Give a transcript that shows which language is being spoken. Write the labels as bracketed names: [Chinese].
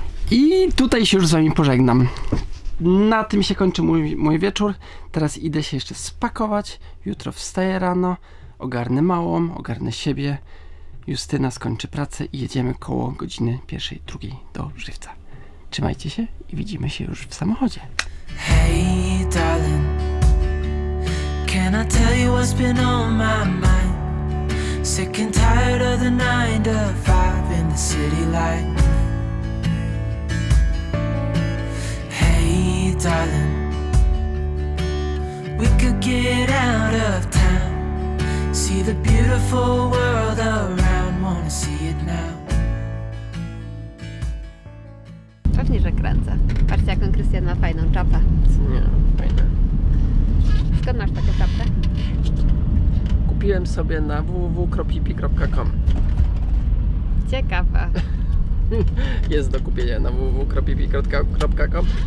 [Polish] I tutaj się już z Wami pożegnam. Na tym się kończy mój wieczór. Teraz idę się jeszcze spakować. Jutro wstaję rano, ogarnę małą, ogarnę siebie. Justyna skończy pracę i jedziemy koło godziny 1-2 do Żywca. Trzymajcie się i widzimy się już w samochodzie. [English] Hey darling, can I tell you what's been on my mind? Sick and tired of the 9-to-5 in the city light. Darling, we could get out of town, see the beautiful world around, wanna see it now. [Polish] Pewnie, że kręcę. Patrzcie, jaką Krystian ma fajną czapę. Nie, fajna. Skąd masz takie czapkę? Kupiłem sobie na www.pipi.com. Ciekawa. Jest do kupienia na www.pipi.com.